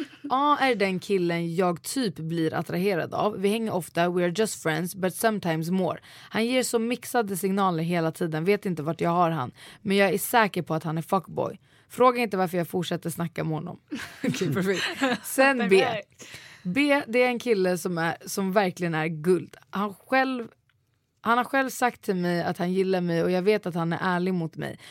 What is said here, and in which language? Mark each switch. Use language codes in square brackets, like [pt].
[sv] A är den killen jag typ blir attraherad av. Vi hänger ofta, [en] we are just friends, but sometimes more. [sv] Han ger så mixade signaler hela tiden. Vet inte vart jag har han, men jag är säker på att han är fuckboy. Fråga inte varför jag fortsätter snacka med honom. Okej, perfekt. Sen B. B, det är en kille som verkligen är guld. Han har själv sagt till mig att han gillar mig och jag vet att han är ärlig mot mig.